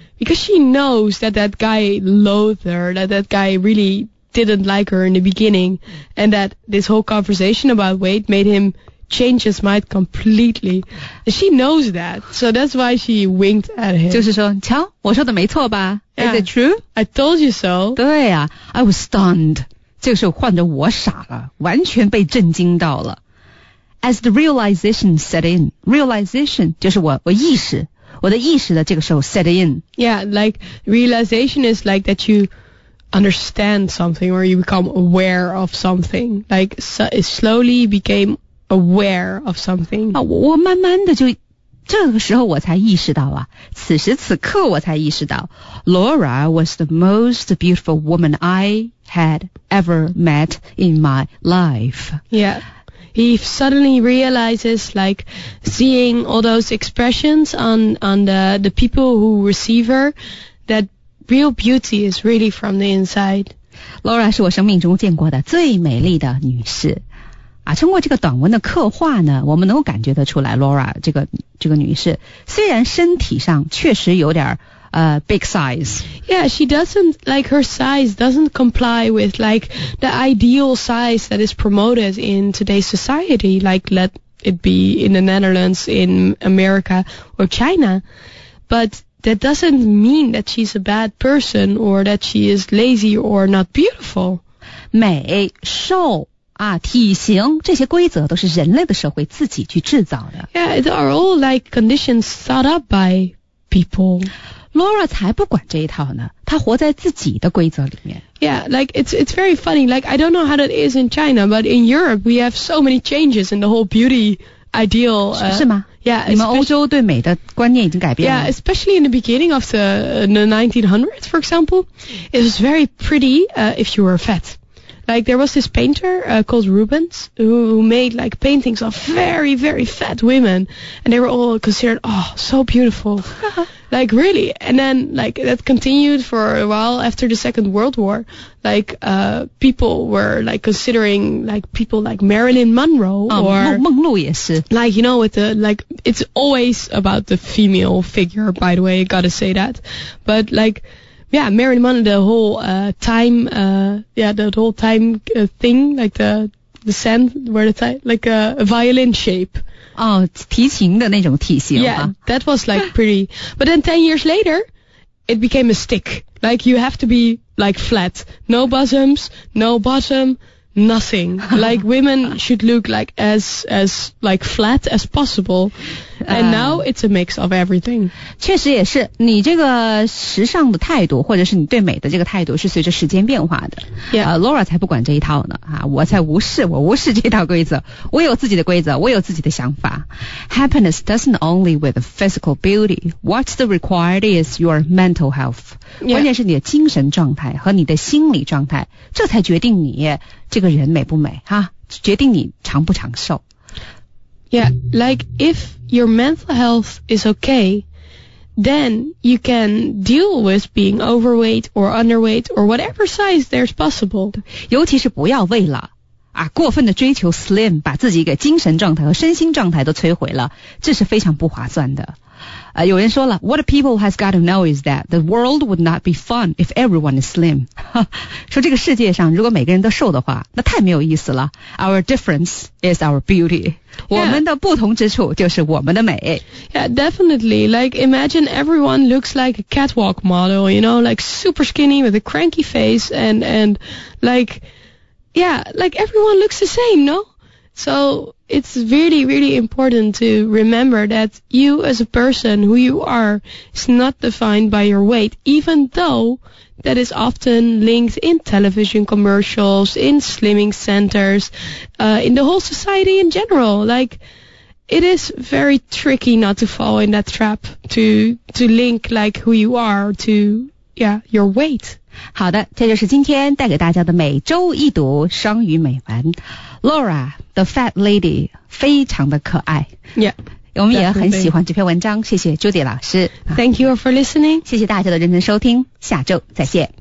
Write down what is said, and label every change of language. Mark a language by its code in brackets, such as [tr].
[en] Because she knows that that guy loathed her, that that guy really didn't like her in the beginning, and that this whole conversation about weight made him change his mind completely. She knows that. So that's why she winked at him. [zh] 就是说瞧我说的没错吧 [en] Is it true? I told you so. [zh] 对啊 [en] I was stunned. [zh] 这个时候换着我傻了完全被震惊到了 [en] As the realization set in [zh] Realization 就是我意识我的意识的这个时候 set in [en] Yeah, like realization is like that you understand something or you become aware of something Like it slowly became aware of something [zh] 啊，我慢慢的就这个时候我才意识到啊此时此刻我才意识到 [en] Laura was the most beautiful woman I had ever met in my life. Yeah. He suddenly realizes like seeing all those expressions on the people who receive her that real beauty is really from the inside. [zh] Laura 是我生命中见过的最美丽的女士。啊，通过这个短文的刻画呢，我们能够感觉得出来 ，Laura 这个女士虽然身体上确实有点big size. [en] Yeah, she doesn't like her size doesn't comply with like the ideal size that is promoted in today's society. Like let it be in the Netherlands, in America or China, but that doesn't mean that she's a bad person or that she is lazy or not beautiful. [zh] 美瘦。啊，体型这些规则都是人类的社会自己去制造的。 [en] Yeah, they are all like conditions set up by people. [zh] Laura 才不管这一套呢，她活在自己的规则里面。 [en] Yeah, like it's very funny. Like I don't know how that is in China, but in Europe we have so many changes in the whole beauty ideal. [zh] 是吗？ [en] Yeah, [zh] 你们欧洲对美的观念已经改变了。 [en] Yeah, especially in the beginning of the 1900s, for example, it was very pretty, if you were fat. Like, there was this painter, called Rubens, who made, like, paintings of very, very fat women. And they were all considered, oh, so beautiful. like, really. And then, like, that continued for a while after the Second World War. Like, people were, like, considering, like, people like Marilyn Monroe or... [zh] 梦露也是。 [en] Like, you know, with the, like, it's always about the female figure, by the way, gotta say that. But, like... Yeah, Marilyn Monroe, the whole time, the whole time thing, like the sand, where the time, like a violin shape. [zh] Oh, 提琴的那种体型。 [en] Yeah, that was like pretty. But then 10 years later, it became a stick. Like you have to be like flat. No bosoms, no bottom, nothing. Like women should look like as like flat as possible. And now it's a mix of everything. [zh] 确实也是，你这个时尚的态度，或者是你对美的这个态度，是随着时间变化的。 [en] Yeah. [zh] Laura 才不管这一套呢，啊，我无视这套规则，我有自己的规则，我有自己的想法。 [en] Happiness doesn't only with physical beauty. What's the required is your mental health. Yeah. [zh] 关键是你的精神状态和你的心理状态，这才决定你这个人美不美哈，决定你长不长寿。 [en] Yeah, like if your mental health is okay, then you can deal with being overweight or underweight or whatever size there's possible. [zh] 尤其是不要为了啊，过分的追求 slim， 把自己给精神状态和身心状态都摧毁了，这是非常不划算的。有人说了 [en] ，What people has got to know is that the world would not be fun if everyone is slim。 [zh] 说这个世界上如果每个人都瘦的话，那太没有意思了。 [en] Our difference is our beauty。 Yeah. [zh] 我们的不同之处就是我们的美。 [en] Yeah, definitely. Like, imagine everyone looks like a catwalk model, you know, like super skinny with a cranky face and like. Yeah, like everyone looks the same, no? So it's really, really important to remember that you as a person, who you are, is not defined by your weight, even though that is often linked in television commercials, in slimming centers, in the whole society in general. Like, it is very tricky not to fall in that trap to link like who you are to, yeah, your weight. [zh] 好的，这就是今天带给大家的每周一读双语美文。 Laura, [en] the fat lady, [zh] 非常的可爱。 [en] Yeah, [zh] 我们也很喜欢这篇文章，谢谢 Judy 老师。 [en] Thank you for listening. [zh] 谢谢大家的认真收听，下周再见。